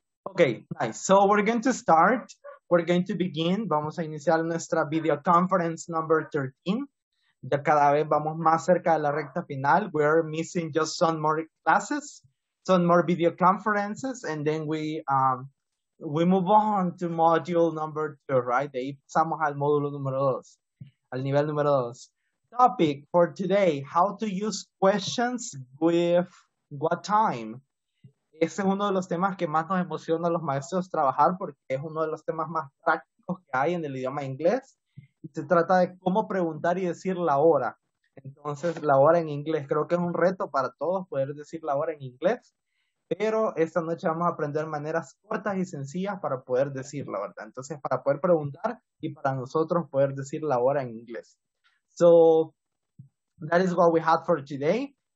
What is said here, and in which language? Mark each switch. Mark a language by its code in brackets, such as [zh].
[en] Okay, nice. So we're going to start. We're going to begin. [es] Vamos a iniciar nuestra [en] video conference number 13. [es] Ya cada vez vamos más cerca de la recta final. [en] We're missing just some more classes, some more video conferences, and then we move on to module number 2, right? [es] De ahí pasamos al módulo número 2, al nivel número 2. [en] Topic for today, how to use questions with what time? [es] Ese es uno de los temas que más nos emociona a los maestros trabajar porque es uno de los temas más prácticos que hay en el idioma inglés. Se trata de cómo preguntar y decir la hora. Entonces, la hora en inglés. Creo que es un reto para todos poder decir la hora en inglés. Pero esta noche vamos a aprender maneras cortas y sencillas para poder decir la verdad. Entonces, para poder preguntar y para nosotros poder decir la hora en inglés. [en] So, that is what we had for today.